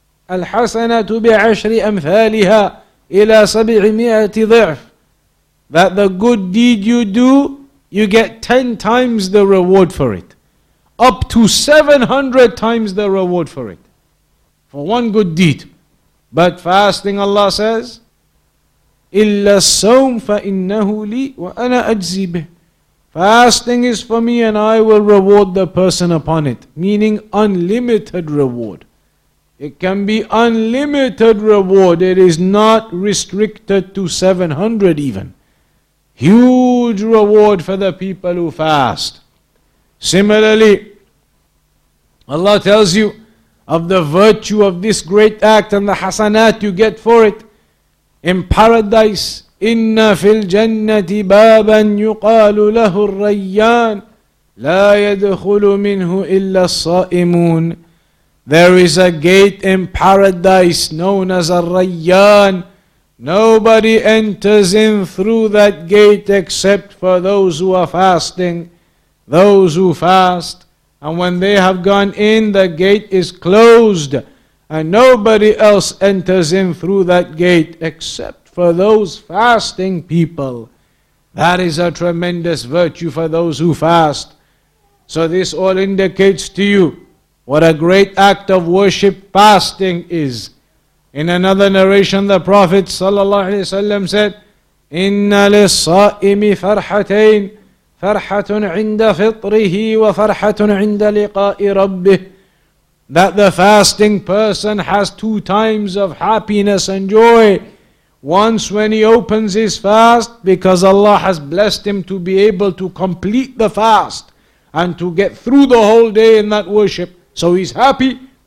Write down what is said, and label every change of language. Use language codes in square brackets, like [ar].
[ar] Al-hasanatu bi'ashri amthaliha ila sabi'i mi'ati dhi'f. [en] that the good deed you do, you get 10 times the reward for it. Up to 700 times the reward for it. For one good deed. But fasting, Allah says, [ar] إِلَّا الصَّوْمْ فَإِنَّهُ لِي وَأَنَا أَجْزِي بِهِ. [en] Fasting is for me and I will reward the person upon it. Meaning unlimited reward. It can be unlimited reward. It is not restricted to 700 even. Huge reward for the people who fast. Similarly, Allah tells you of the virtue of this great act and the hasanat you get for it. In paradise, [ar] إِنَّ فِي الْجَنَّةِ بَابًا يُقَالُ لَهُ الرَّيَّانِ لَا يَدْخُلُ مِنْهُ إِلَّا الصَّائِمُونَ. [en] There is a gate in paradise known as الرَّيَّانِ. Nobody enters in through that gate except for those who are fasting. Those who fast. And when they have gone in, the gate is closed. And nobody else enters in through that gate except for those fasting people. That is a tremendous virtue for those who fast. So this all indicates to you what a great act of worship fasting is. In another narration, the Prophet ﷺ said, [ar] إِنَّ لِلصَّائِمِ فَرْحَتَيْنِ فَرْحَةٌ عِنْدَ فِطْرِهِ وَفَرْحَةٌ عِنْدَ لِقَاءِ رَبِّهِ. [en] That the fasting person has two times of happiness and joy. Once when he opens his fast, because Allah has blessed him to be able to complete the fast and to get through the whole day in that worship, so he's happy.